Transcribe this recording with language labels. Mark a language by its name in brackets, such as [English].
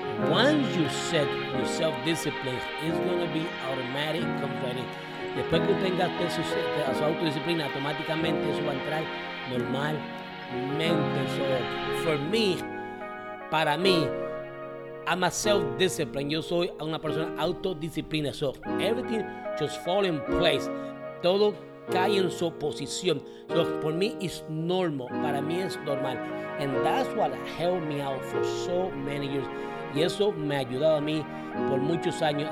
[English] Once you set your self-discipline, it's going to be automatic, comes right in. [Spanish] Después que tenga usted su autodisciplina, automáticamente eso va a entrar normalmente. [English] So, for me, [Spanish] para mí, [English] I'm a self-discipline. [Spanish] Yo soy una persona autodisciplina. [English] So, everything just fall in place. [Spanish] Todo cae en su posición. [English] So, for me, it's normal. [Spanish] Para mí es normal. [English] And that's what helped me out for so many years. [Spanish] Y eso me ha ayudado a mí por muchos años.